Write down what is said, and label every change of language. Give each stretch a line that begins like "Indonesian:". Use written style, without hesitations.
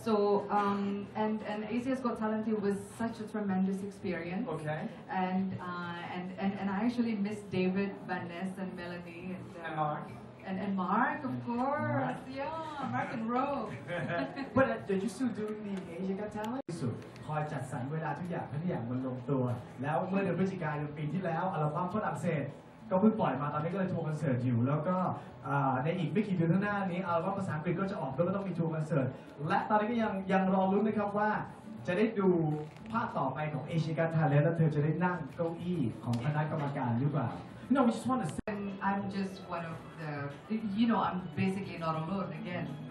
English: so and Asia's Got Talent was such a tremendous experience okay and I actually miss David Van Ness and Melanie and Mark And Mark, of course, yeah, Mark and Rogue. But did you still do the Asia Got Talent?
Thai: สุดคอยจัดสรรเวลาทุกอย่างให้ทุกอย่างมันลงตัวแล้วเมื่อเดือนพฤศจิกายนปีที่แล้วอัลบั้มฝรั่งเศสก็เพิ่งปล่อยมาตอนนี้ก็เลยทัวร์คอนเสิร์ตอยู่แล้วก็ในอีกไม่กี่เดือนข้างหน้านี้อัลบั้มภาษาอังกฤษก็จะออกแล้วก็ต้องมีทัวร์คอนเสิร์ตและตอนนี้ก็ยังรอลุ้นนะครับว่าจะได้ดูภาคต่อไปของ Asia Got Talent แล้วเธอจะได้นั่งเก้าอี้ของคณะกรรมการหรือเปล่า
English: No, we just want to say I'm just one of the, you know, I'm basically not alone again.